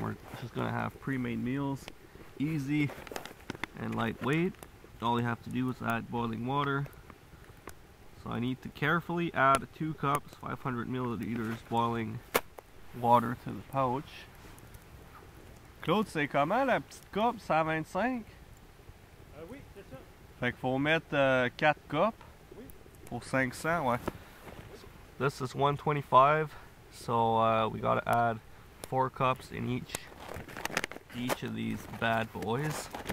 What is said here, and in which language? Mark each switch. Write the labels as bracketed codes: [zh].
[en] We're just gonna have pre-made meals, easy and lightweight. All you have to do is add boiling water. So I need to carefully add 2 cups, 500 milliliters boiling water to the pouch. [fr] Claude, c'est comment la petite coupe, 125? Oui, c'est ça. Fait qu'il faut mettre 4 cups. Oui. Pour 500, ouais. [en] This is 125, so we gotta add 4 cups in each of these bad boys.